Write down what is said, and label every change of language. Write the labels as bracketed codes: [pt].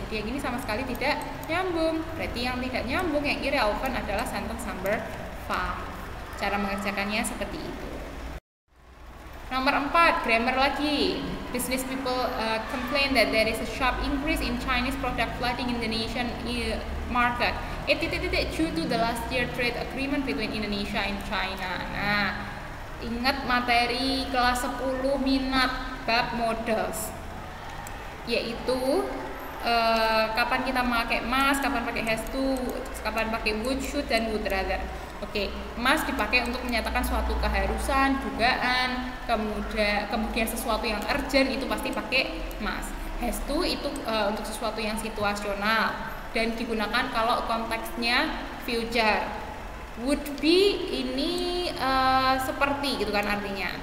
[id] Jadi yang ini sama sekali tidak nyambung. Berarti yang tidak nyambung, yang irrelevant adalah sentence number 5. Cara mengerjakannya seperti itu. Nomor 4, grammar lagi. [en] Business people complain that there is a sharp increase in Chinese product flooding Indonesian market. Due to the last year trade agreement between Indonesia and China. [id] Nah, ingat materi kelas 10 minat bab models. Yaitu kapan kita pakai must, kapan pakai has to, kapan pakai would, should dan would rather. Oke, must dipakai untuk menyatakan suatu keharusan, dugaan, kemudian sesuatu yang urgent itu pasti pakai must. Has to itu untuk sesuatu yang situasional dan digunakan kalau konteksnya future. Would be ini seperti gitu kan artinya.